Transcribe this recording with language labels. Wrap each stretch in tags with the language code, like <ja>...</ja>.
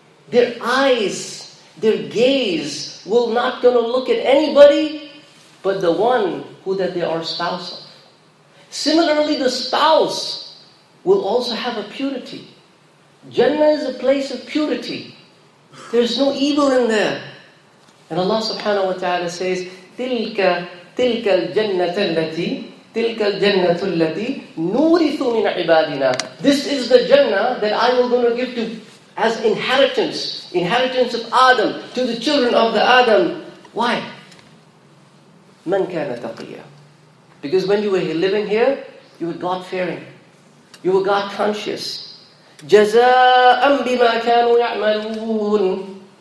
<en>Their eyes, their gaze will not going to look at anybody but the one who that they are spouse of. Similarly, the spouse will also have a purity. Jannah is a place of purity. There's no evil in there. And Allah subhanahu wa ta'ala says,</en> <ar>تِلْكَ الْجَنَّةَ الَّتِي تِلْكَ الْجَنَّةُ الَّتِي نُورِثُ مِنْ عِبَادِنَا.</ar> <en>This is the Jannah that I will going to give to as inheritance of Adam, to the children of the Adam. Why?</en> <ar>مَنْ كَانَ تَقِيًّا.</ar> <en>Because when you were living here, you were God-fearing. You were God-conscious.</en> <ar>جَزَاءً بِمَا كَانُوا يَعْمَلُونَ.</ar>